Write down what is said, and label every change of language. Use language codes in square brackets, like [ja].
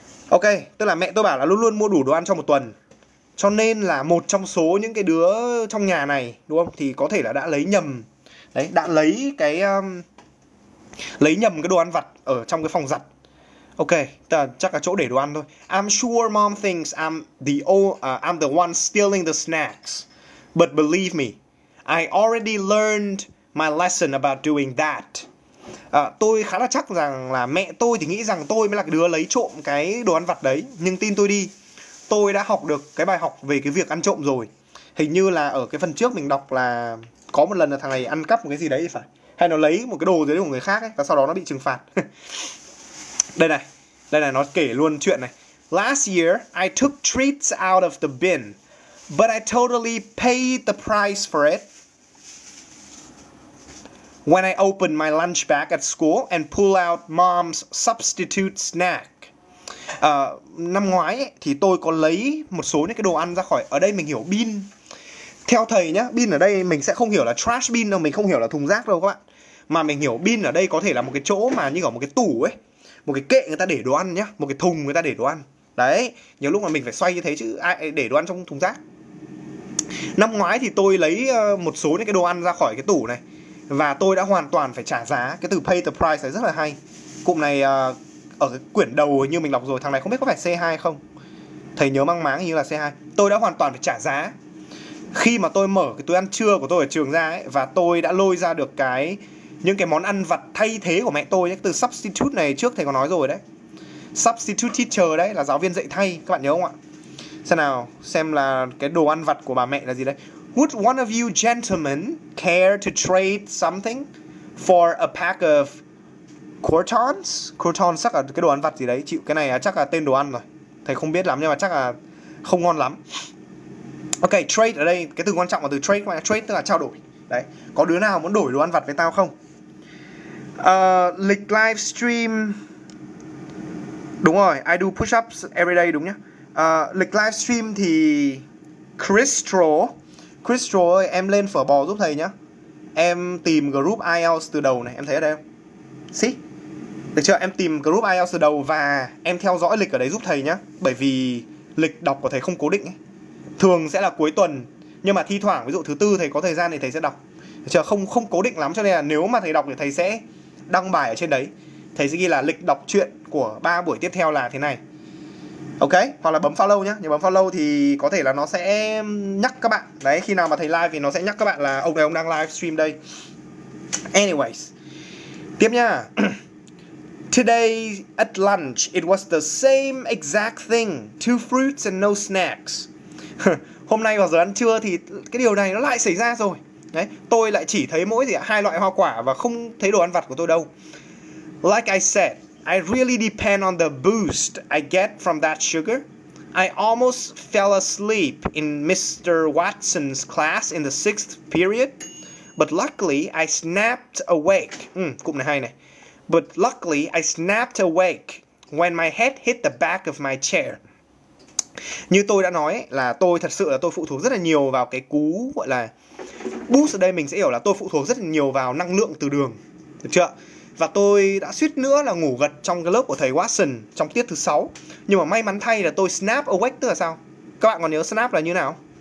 [vi] Ok, tức là mẹ tôi bảo là luôn luôn mua đủ đồ ăn trong một tuần. Cho nên là một trong số những cái đứa trong nhà này, đúng không? Thì có thể là đã lấy nhầm. Đấy, đã lấy cái lấy nhầm cái đồ ăn vặt ở trong cái phòng giặt. Ok, chắc là chỗ để đồ ăn thôi. [en] I'm sure mom thinks I'm the one stealing the snacks. But believe me, I already learned my lesson about doing that. [vi] Tôi khá là chắc rằng là mẹ tôi thì nghĩ rằng tôi mới là cái đứa lấy trộm cái đồ ăn vặt đấy. Nhưng tin tôi đi, tôi đã học được cái bài học về cái việc ăn trộm rồi. Hình như là ở cái phần trước mình đọc là có một lần là thằng này ăn cắp một cái gì đấy thì phải. Hay nó lấy một cái đồ gì đấy của người khác ấy, và sau đó nó bị trừng phạt. Đây này, nó kể luôn chuyện này. [en] Last year, I took treats out of the bin, but I totally paid the price for it when I opened my lunch bag at school and pulled out mom's substitute snack. [vi] Năm ngoái ấy, thì tôi có lấy một số những cái đồ ăn ra khỏi, ở đây mình hiểu bin. Theo thầy nhá, bin ở đây mình sẽ không hiểu là trash bin đâu, mình không hiểu là thùng rác đâu các bạn. Mà mình hiểu bin ở đây có thể là một cái chỗ mà như ở một cái tủ ấy. Một cái kệ người ta để đồ ăn nhá, một cái thùng người ta để đồ ăn. Đấy, nhiều lúc mà mình phải xoay như thế chứ ai để đồ ăn trong thùng rác. Năm ngoái thì tôi lấy một số những cái đồ ăn ra khỏi cái tủ này và tôi đã hoàn toàn phải trả giá. Cái từ [en] pay the price [vi] này rất là hay. Cụm này ở cái quyển đầu như mình đọc rồi, thằng này không biết có phải C2 không. Thầy nhớ mang máng như là C2. Tôi đã hoàn toàn phải trả giá khi mà tôi mở cái túi ăn trưa của tôi ở trường ra ấy, và tôi đã lôi ra được những cái món ăn vặt thay thế của mẹ tôi ấy. Từ substitute này trước thầy có nói rồi đấy. Substitute teacher đấy là giáo viên dạy thay, các bạn nhớ không ạ? Xem nào, xem là cái đồ ăn vặt của bà mẹ là gì đấy. [en] Would one of you gentlemen care to trade something for a pack of croutons? [vi] Croutons chắc là cái đồ ăn vặt gì đấy, chịu, cái này chắc là tên đồ ăn rồi. Thầy không biết lắm nhưng mà chắc là không ngon lắm. Ok, trade ở đây, cái từ quan trọng là từ trade, trade tức là trao đổi. Đấy, có đứa nào muốn đổi đồ ăn vặt với tao không? Lịch livestream. Đúng rồi, [en] I do push ups every day [vi] đúng nhá. Lịch livestream thì Crystal. Crystal ơi, em lên phở bò giúp thầy nhá. Em tìm group IELTS từ đầu này, em thấy ở đây không? [en] See? [vi] Được chưa? Em tìm group IELTS từ đầu và em theo dõi lịch ở đấy giúp thầy nhá. Bởi vì lịch đọc của thầy không cố định ấy. Thường sẽ là cuối tuần, nhưng mà thi thoảng ví dụ thứ tư thầy có thời gian thì thầy sẽ đọc. Được chưa? Không không cố định lắm, cho nên là nếu mà thầy đọc thì thầy sẽ đăng bài ở trên đấy. Thầy sẽ ghi là lịch đọc truyện của 3 buổi tiếp theo là thế này. Ok, hoặc là bấm follow nhá. Nếu bấm follow thì có thể là nó sẽ nhắc các bạn. Đấy, khi nào mà thầy live thì nó sẽ nhắc các bạn là ông này ông đang livestream đây. Anyways. Tiếp nha. [en] Today at lunch it was the same exact thing, two fruits and no snacks. [vi] Hôm nay vào giờ ăn trưa thì cái điều này nó lại xảy ra rồi. Đấy, tôi lại chỉ thấy mỗi gì ạ, hai loại hoa quả và không thấy đồ ăn vặt của tôi đâu. [en] Like I said, I really depend on the boost I get from that sugar. I almost fell asleep in Mr. Watson's class in the sixth period, but luckily I snapped awake. [vi] Cụm này hay này. [en] But luckily I snapped awake when my head hit the back of my chair. [vi] Như tôi đã nói là tôi thật sự là tôi phụ thuộc rất là nhiều vào cái cú gọi là boost. Ở đây mình sẽ hiểu là tôi phụ thuộc rất là nhiều vào năng lượng từ đường. Được chưa? Và tôi đã suýt nữa là ngủ gật trong cái lớp của thầy Watson trong tiết thứ 6. Nhưng mà may mắn thay là tôi snap awake, tức là sao? Các bạn còn nhớ snap là như nào?